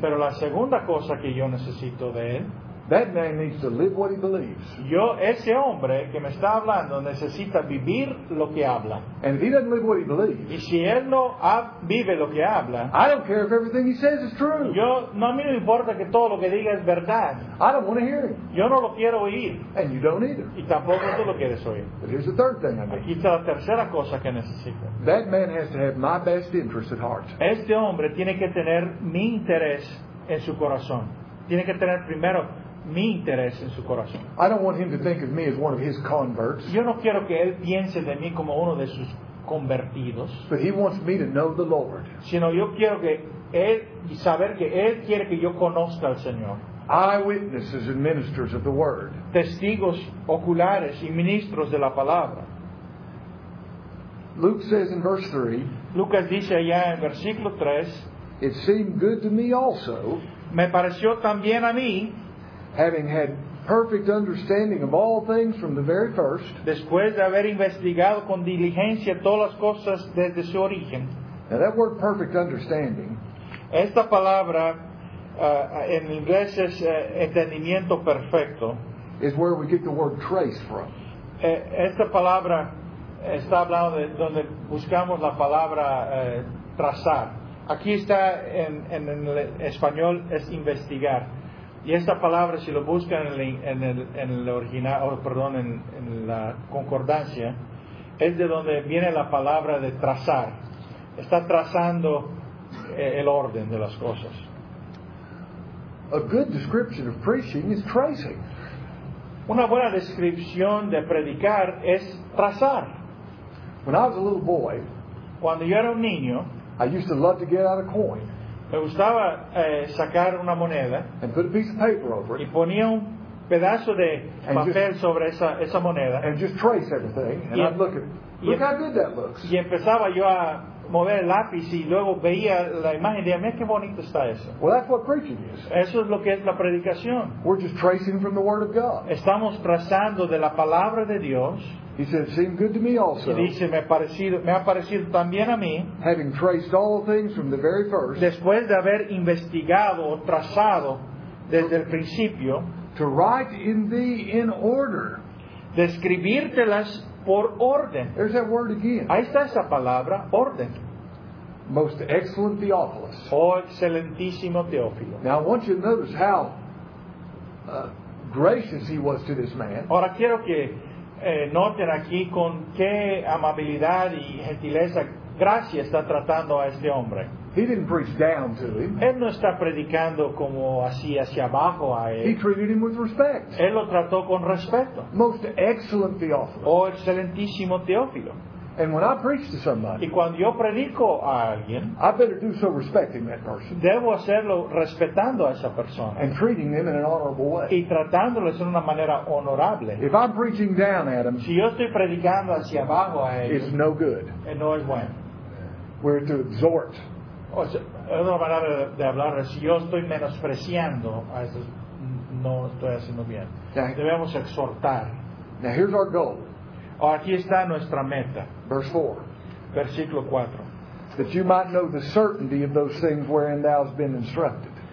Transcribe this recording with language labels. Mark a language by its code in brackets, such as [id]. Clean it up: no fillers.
[es] Pero la segunda cosa que yo necesito de él. [en] That man needs to live what he believes. [es] Yo, ese hombre que me está hablando necesita vivir lo que habla. [en] And if he doesn't live what he believes, [es] y si él no vive lo que habla, [en] I don't care if everything he says is true. [es] Yo, no, a mí no importa que todo lo que diga es verdad. [en] I don't want to hear him. [es] Yo no lo quiero oír. [en] And you don't either. [es] Y tampoco tú lo quieres oír. [en] But here's the third thing I need. [es] Aquí está la tercera cosa que necesito. [en] That man has to have my best interest at heart. [es] Este hombre tiene que tener mi interés en su corazón. Tiene que tener primero mi interés en su corazón. [en] I don't want him to think of me as one of his converts. [es] Yo no quiero que él piense de mí como uno de sus convertidos. [en] But he wants me to know the Lord. [es] Sino yo quiero que él y saber que él quiere que yo conozca al Señor. [en] Eyewitnesses and ministers of the word. [es] Testigos oculares y ministros de la palabra. [en] Luke says in verse 3. [es] Lucas dice allá en versículo 3. [en] It seemed good to me also. [es] Me pareció también a mí. [en] Having had perfect understanding of all things from the very first. [es] Después de haber investigado con diligencia todas las cosas desde su origen. [en] Now that word perfect understanding. [es] Esta palabra en inglés es entendimiento perfecto. [en] Is where we get the word trace from. [es] Esta palabra está hablando de donde buscamos la palabra trazar. Aquí está en el español es investigar. Y esta palabra, si lo buscan en el original, perdón, en la concordancia, es de donde viene la palabra de trazar. Está trazando el orden de las cosas. [en] A good description of preaching is tracing. [es] Una buena descripción de predicar es trazar. [en] When I was a little boy, [es] cuando yo era un niño, [en] I used to love to get out a coin. [es] Me gustaba sacar una moneda [en] and put a piece of paper over it, [es] y ponía un pedazo de papel just, sobre esa moneda [en] and just trace everything, and I'd look at it. Look how good that looks. [es] Y empezaba yo a mover el lápiz y luego veía la imagen y decía, mira qué bonito está eso. [en] Well, that's what preaching is. [es] Eso es lo que es la predicación. [en] We're just tracing from the Word of God. [es] Estamos trazando de la palabra de Dios. [en] He said, it seemed good to me also. [es] Y dice, me ha parecido también a mí. [en] Having traced all things from the very first. [es] Después de haber investigado o trazado desde el principio. [en] To write in thee in order. [es] Describírtelas por orden. [en] There's that word again. [es] Ahí está esa palabra, orden. [en] Most excellent Theophilus. [es] Oh, excelentísimo Teófilo. [en] Now I want you to notice how gracious he was to this man. [es] Ahora quiero que noten aquí con qué amabilidad y gentileza, gracia está tratando a este hombre. [en] He didn't preach down to him. [es] Él no está predicando como así hacia abajo a él. [en] He treated him with respect. [es] Él lo trató con respeto. [en] Most excellent Theophilus. [es] Oh, excelentísimo Teófilo. [en] And when I preach to somebody, [es] y cuando yo predico a alguien, [en] I better do so respecting that person. [es] Debo hacerlo respetando a esa persona. [en] And treating them in an honorable way. [es] Y tratándoles en una manera honorable. [en] If I'm preaching down at them, [es] si yo estoy predicando hacia abajo a ellos, [en] it's no good. [es] No es bueno. [en] We're to exhort. [es] O sea, es una manera de hablar. Si yo estoy menospreciando a estos, no estoy haciendo bien. [en] Now, [es] debemos exhortar. [en] Now here's our goal. [es] Oh, aquí está nuestra meta. [en] Verse 4. [es] Versículo 4. [en] That you might know the certainty of those things wherein thou hast been instructed.